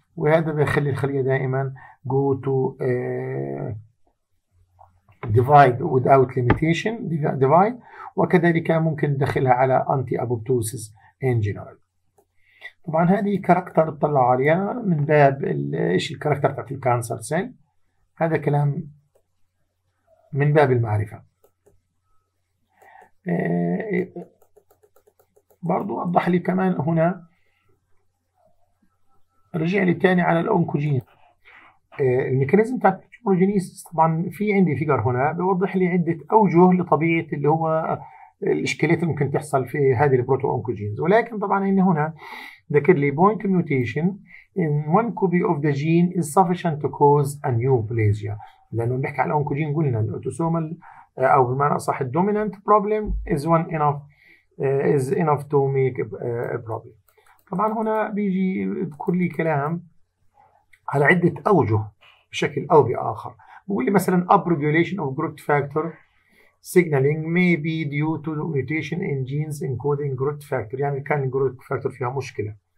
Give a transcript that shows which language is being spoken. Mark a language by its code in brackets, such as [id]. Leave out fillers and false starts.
[ar] وهذا بيخلي الخليه دائما [en] go to divide without limitation divide، [ar] وكذلك ممكن ندخلها على [en] anti apoptosis in general. [ar] طبعا هذه كاركتر طلع عليها من باب ايش الكاركتر بتاعت الكانسر سيل، هذا كلام من باب المعرفة. برضو وضح لي كمان هنا، رجع لي تاني على الأونكوجين الميكانيزم بتاع التيومورجينيسيس. طبعا في عندي فيجر هنا بيوضح لي عده اوجه لطبيعه اللي هو الاشكاليات اللي ممكن تحصل في هذه البروتو اونكوجينز، ولكن طبعا ان هنا ذكر لي [en] point mutation in one copy of the gene is sufficient to cause a neoplasia, [ar] لانه بنحكي على الاونكوجين قلنا الاوتوسومال او بمعنى اصح [en] الدوميننت problem is one enough is enough to make a problem. [ar] طبعا هنا بيجي بكل كلام على عدة أوجه بشكل أو بآخر. بقول لي مثلا [en] upregulation of growth factor signaling may be due to mutation in genes encoding growth factor، [ar] يعني كان [en] growth factor [ar] فيها مشكلة.